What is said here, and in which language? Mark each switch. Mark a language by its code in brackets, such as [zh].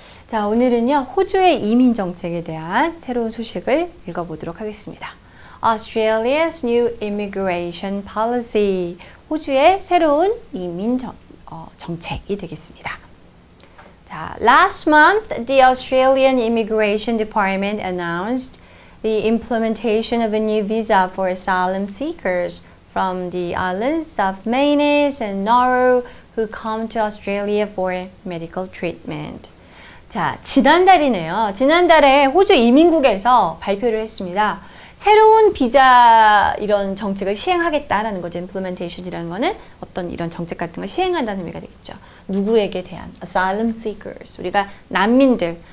[ko] 자, 오늘은요, 호주의 이민 정책에 대한 새로운 소식을 읽어보도록 하겠습니다. [en] Australia's new immigration policy. [ko] 호주의 새로운 이민 정책이 되겠습니다. [en] 자, last month, the Australian Immigration Department announced the implementation of a new visa for asylum seekers from the islands of Manus and Nauru who come to Australia for medical treatment. [ko] 자, 지난달이네요. 지난달에 호주 이민국에서 발표를 했습니다. 새로운 비자 이런 정책을 시행하겠다라는 거죠. Implementation이라는 거는 어떤 이런 정책 같은 걸 시행한다는 의미가 되겠죠. 누구에게 대한? Asylum seekers. 우리가 난민들.